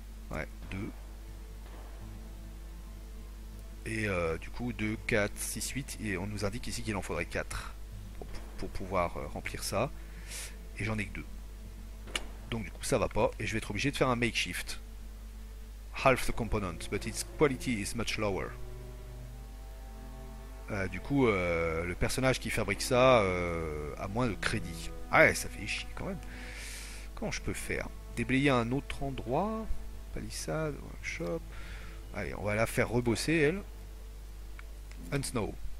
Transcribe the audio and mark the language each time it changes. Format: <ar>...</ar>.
<fr>Ouais, deux. Et du coup, 2, 4, 6, 8. Et on nous indique ici qu'il en faudrait 4 pour pouvoir remplir ça. Et j'en ai que 2. Donc du coup, ça va pas. Et je vais être obligé de faire un makeshift.</fr> <en>Half the component, but its quality is much lower.</en> <fr>Du coup, le personnage qui fabrique ça a moins de crédit. Ah ouais, ça fait chier quand même. Comment je peux faire? Déblayer un autre endroit? Palissade, workshop. Allez, on va la faire rebosser, elle.</fr> <en>And snow.</en>